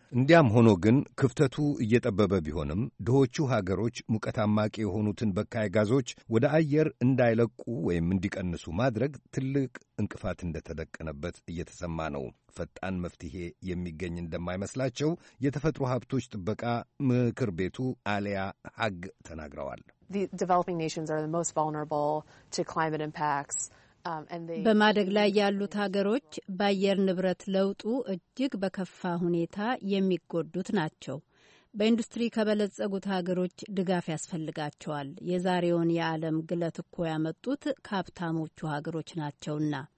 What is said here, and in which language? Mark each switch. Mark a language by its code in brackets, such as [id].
[am] እንዲያም ሆኖ ግን ክፍተቱ እየጠበበ ቢሆንም ድሆቹ ሀገሮች ሙቀት አማቂ የሆኑትን በካይ ጋዞች ወደ አየር እንዳይለቁ ወይም እንዲቀንሱ ማድረግ ትልቅ እንቅፋት እንደተደቀነበት እየተሰማ ነው። ፈጣን መፍትሄ የሚገኝ እንደማይመስላቸው የተፈጥሮ ሀብቶች ጥበቃ ምክር ቤቱ አሊያ ሀግ ተናግረዋል። [en] Developing nations are the most vulnerable to climate impacts. [am] በማደግ ላይ ያሉት ሀገሮች በአየር ንብረት ለውጡ እጅግ በከፋ ሁኔታ የሚጎዱት ናቸው። በኢንዱስትሪ ከበለጸጉት ሀገሮች ድጋፍ ያስፈልጋቸዋል። የዛሬውን የዓለም ግለት እኮ ያመጡት ካፕታሞቹ ሀገሮች ናቸውና።